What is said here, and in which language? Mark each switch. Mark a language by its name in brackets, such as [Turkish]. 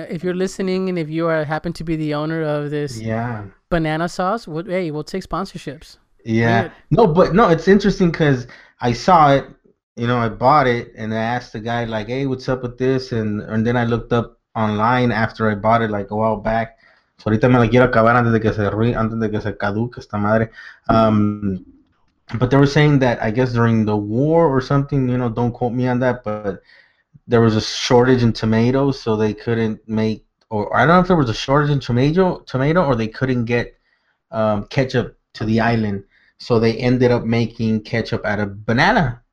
[English] If you're listening and if you are happen to be the owner of this banana sauce, we'll take sponsorships. Yeah. No, it's interesting because I saw it, you know, I bought it and I asked the guy like, hey, what's up with this? And then I looked up online after I bought it like a while back. [Spanish] So ahorita me la quiero acabar antes de que se caduque esta madre. [English] But they were saying that, I guess, during the war or something, you know, don't quote me on that, but there was a shortage in tomatoes, so they couldn't make, or I don't know if there was a shortage in tomato, or they couldn't get ketchup to the island, so they ended up making ketchup out of banana.